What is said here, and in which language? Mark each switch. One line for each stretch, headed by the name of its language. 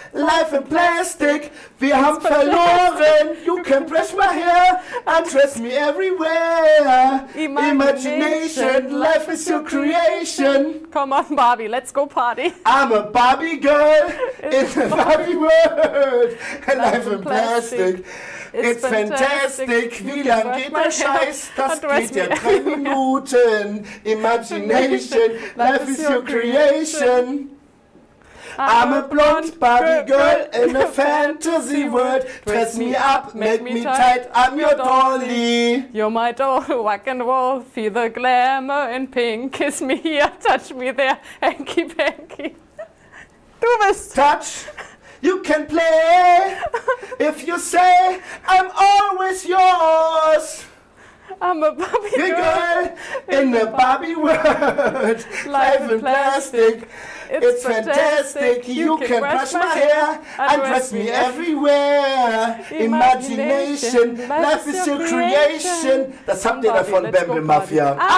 English: Life in plastic.
German: Wir haben verloren.
English: You can brush my hair and dress me everywhere. Imagination. Life is your creation. Come on, Barbie. Let's go party. I'm a Barbie girl in a Barbie world. Life in plastic. It's fantastic,
German: wie lang geht der Scheiß? Das geht ja 3 Minuten.
English: Imagination, life is your creation. I'm a blonde Barbie girl in a fantasy world. Dress me up, make me tight, I'm your dolly. You're my doll, rock and roll. Feel the glamour in pink. Kiss me here, touch me there, hanky panky.
German: Du bist...
English: Touch! You can play, if you say, I'm always yours. I'm a Barbie girl, in the Barbie world. Life in plastic, it's fantastic. You can brush my hair and dress me everywhere. Imagination, life is your creation.
German: Das habt ihr davon, Bamble Mafia.